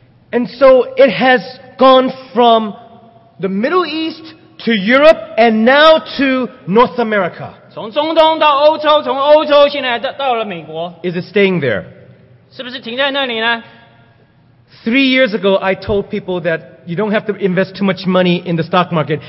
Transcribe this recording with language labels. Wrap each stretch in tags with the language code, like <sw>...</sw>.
<en>And so it has gone from the Middle East to Europe and now to North America.</en> <zh>从中东到欧洲, 从欧洲, 现在到了美国.</zh> <en>Is it staying there?</en> <zh>是不是停在那里呢?</zh> <en>3 years ago, I told people that you don't have to invest too much money in the stock market.</en>